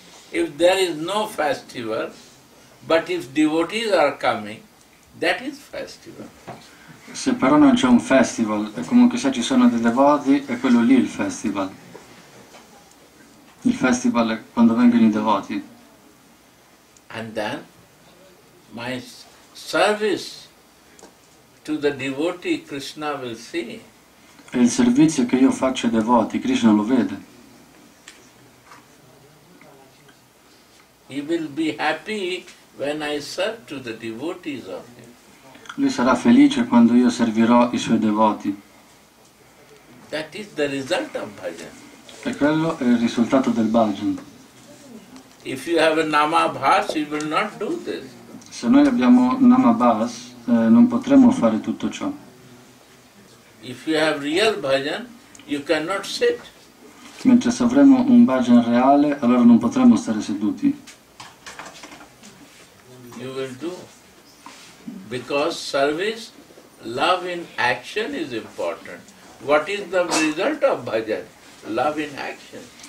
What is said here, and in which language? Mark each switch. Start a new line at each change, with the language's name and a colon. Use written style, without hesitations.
English: If there is no festival, but if devotees are coming, that is festival.
Italian: Se però non c'è un festival, e comunque se ci sono dei devoti, è quello lì il festival. Il festival è quando vengono i devoti.
English: And then, my service to the devotee Krishna will see.
Italian: E il servizio che io faccio ai devoti, Krishna lo vede.
English: He will be happy when I serve to the devotees of him.
Italian: Lui sarà felice quando io servirò i suoi devoti.
English: That is the result of bhajan.
Italian: E quello è il risultato del bhajan.
English: If you have a nama bhas, you will not do this.
Italian: Se noi abbiamo nama bhas, non potremo fare tutto ciò.
English: If you have real bhajan, you cannot sit.
Italian: Mentre se avremo un bhajan reale, allora non potremo stare seduti.
English: You will do. Because service, love in action is important. What is the result of bhajan? Love in action.